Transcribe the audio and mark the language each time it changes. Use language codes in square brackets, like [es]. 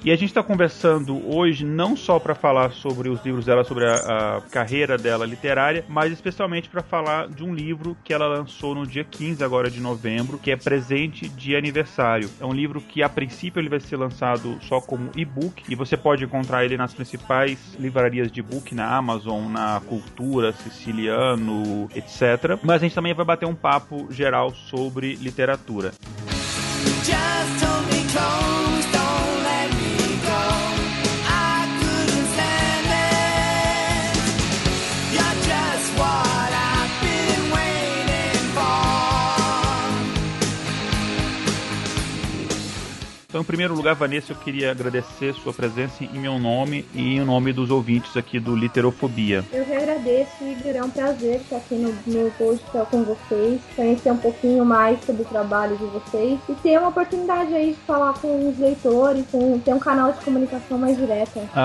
[pt] E a gente está conversando hoje não só para falar sobre os livros dela, sobre a carreira dela literária, mas especialmente para falar de um livro que ela lançou no dia 15 agora de novembro, que é presente de aniversário. É um livro que, a princípio, ele vai ser lançado só como e-book e você pode encontrar ele nas principais livrarias de e-book, na Amazon, na Cultura, Siciliano, etc. Mas a gente também vai bater um papo geral sobre literatura. [en] Just hold me close, don't let me go. I couldn't stand it. You're just what I've been waiting for. [pt] Então, em primeiro lugar, Vanessa, eu queria agradecer sua presença em meu nome e em nome dos ouvintes aqui do Literofobia. Agradeço, Igor, é um prazer estar aqui no meu podcast com vocês, conhecer um pouquinho mais sobre o trabalho de vocês e ter uma oportunidade aí de falar com os leitores, ter um canal de comunicação mais direto.